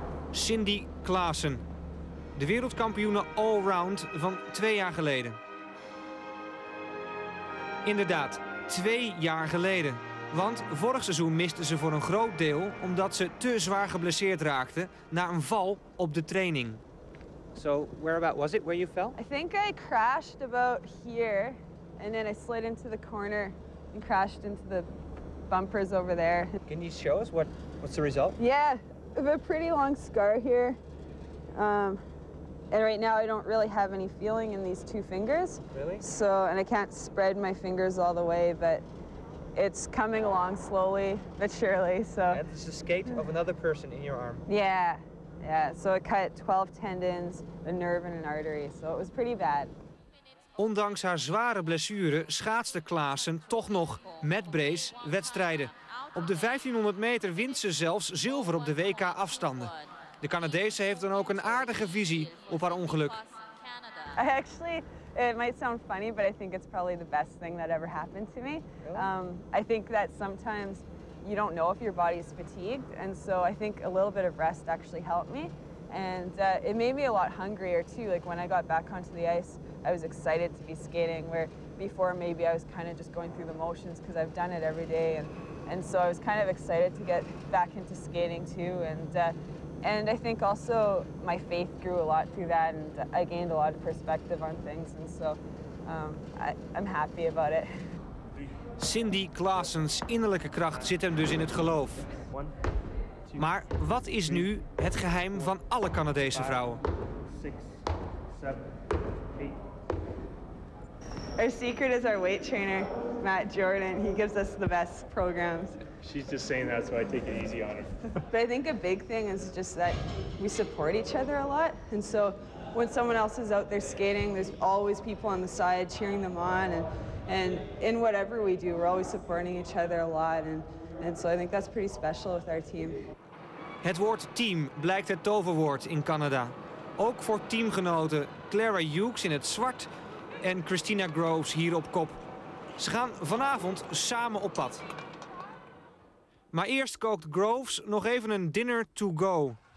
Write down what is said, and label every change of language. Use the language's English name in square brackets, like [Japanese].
[Dutch] Cindy Klaassen. De wereldkampioene allround van 2 jaar geleden. Inderdaad, 2 jaar geleden. Want vorig seizoen miste ze voor een groot deel omdat ze te zwaar geblesseerd raakte na een val op de training. [English] So, whereabout was it where you fell? I think I crashed about here and then I slid into the corner and crashed into the bumpers over there. Can you show us what's the result? Yeah, I have a pretty long scar here. And right now I don't really have any feeling in these 2 fingers. Really? So, and I can't spread my fingers all the way, but it's coming along slowly but surely. So yeah, it's a skate of another person in your arm. Yeah. So it cut 12 tendons, a nerve and an artery. So it was pretty bad. [Dutch] Ondanks haar zware blessure schaatste Klaassen toch nog met brace wedstrijden. Op de 1500 meter wint ze zelfs zilver op de WK afstanden. De Canadese heeft dan ook een aardige visie op haar ongeluk. [English] I actually, it might sound funny, but I think it's probably the best thing that ever happened to me. I think that sometimes you don't know if your body is fatigued, and so I think a little bit of rest actually helped me. And it made me a lot hungrier too. Like when I got back onto the ice, I was excited to be skating, where before maybe I was kind of just going through the motions because I've done it every day. And so I was kind of excited to get back into skating too. And I think also my faith grew a lot through that, and I gained a lot of perspective on things, and so I'm happy about it. [Dutch] Cindy Klaassen's innerlijke kracht zit hem dus in het geloof. Maar wat is nu het geheim van alle Canadese vrouwen? [English] Our secret is our weight trainer, Matt Jordan. He gives us the best programs. She's just saying that so I take it easy on her. But I think a big thing is just that we support each other a lot. And so when someone else is out there skating, there's always people on the side cheering them on. And in whatever we do, we're always supporting each other a lot. And so I think that's pretty special with our team. [Dutch] Het woord team blijkt het toverwoord in Canada. Ook voor teamgenoten Clara Hughes in het zwart en Christina Groves hier op kop. Ze gaan vanavond samen op pad. Maar eerst kookt Groves nog even een [English] dinner to go.